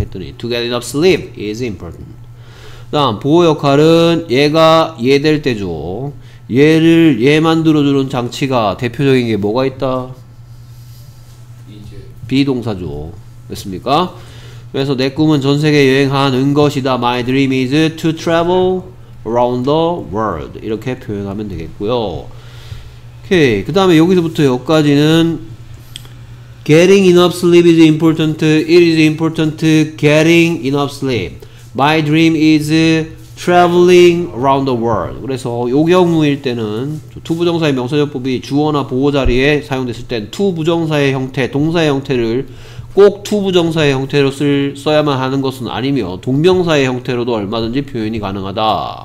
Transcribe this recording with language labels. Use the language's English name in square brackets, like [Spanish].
[Korean] 했더니 [English] to get enough sleep is important. [Korean] 다음 보호 역할은 얘가 얘 될 때죠. 얘를 얘 만들어주는 장치가 대표적인 게 뭐가 있다? 비동사죠. 됐습니까? 그래서 내 꿈은 전 세계 여행하는 것이다. [English] My dream is to travel around the world. [Korean] 이렇게 표현하면 되겠고요. 오케이. 그 다음에 여기서부터 여기까지는 [English] Getting enough sleep is important. It is important getting enough sleep. My dream is traveling around the world. [Korean] 그래서 요 경우일 때는 to 부정사의 명사적법이 주어나 보호자리에 사용됐을 땐 to 부정사의 형태, 동사의 형태를 꼭 to 부정사의 형태로 써야만 하는 것은 아니며 동명사의 형태로도 얼마든지 표현이 가능하다.